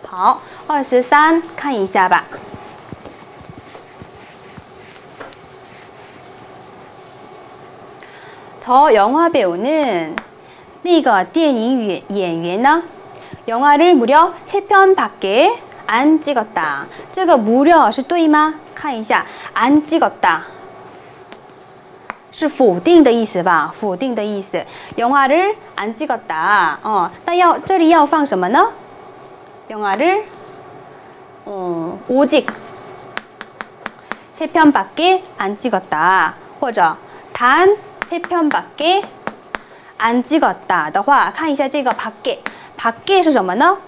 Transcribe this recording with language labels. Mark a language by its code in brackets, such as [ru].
[zh] 可以这么说吧。好，23看一下吧。 [ko] 저 영화 배우는 [zh] 那个电影演员呢? [ko] 영화를 무려 3편밖에 안 찍었다. [zh] 这个무려是对吗?看一下,안 찍었다. 是否定的意思吧？영화를안찍었다어那要这里要放什么呢？ [ko] 영화를오직세편밖에안찍었다 [zh] 或者 [ko] 단세편밖에안찍었다 [zh] 的话，看一下这个밖에，밖에是什么呢？